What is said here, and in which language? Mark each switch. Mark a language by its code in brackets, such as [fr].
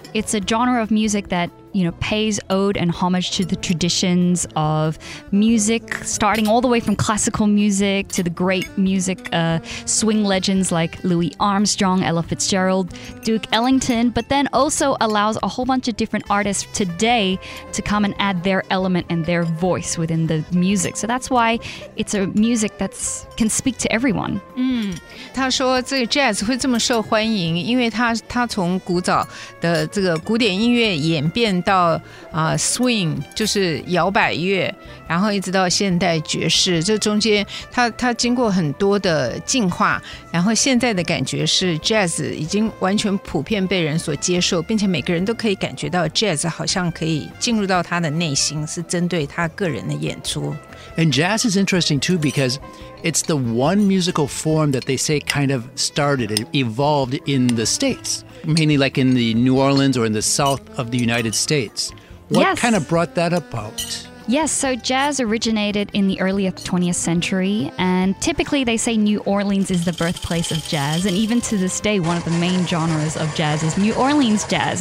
[en] It's a genre of music that, you know, pays ode and homage to the traditions of music, starting all the way from classical music to the great music swing legends like Louis Armstrong, Ella Fitzgerald, Duke Ellington, but then also allows a whole bunch of different artists today to come and add their element and their voice within the music. So that's why it's a music that can speak to everyone. [zh] 他说这个 jazz 会这么受欢迎，因为他从古早的这个古典音乐演变到swing 就是摇摆乐，然后一直到现代爵士，这中间它经过很多的进化，然后现在的感觉是 jazz 已经完全普遍被人所接受，并且每个人都可以感觉到 jazz 好像可以进入到他的内心，是针对他个人的演出。 [en] And jazz is interesting too because it's the one musical form that they say kind of started and evolved in the States, mainly like in the New Orleans or in the South of the United States. What kind of brought that about? Yes, so jazz originated in the early 20th century, and typically they say New Orleans is the birthplace of jazz, and even to this day, one of the main genres of jazz is New Orleans jazz.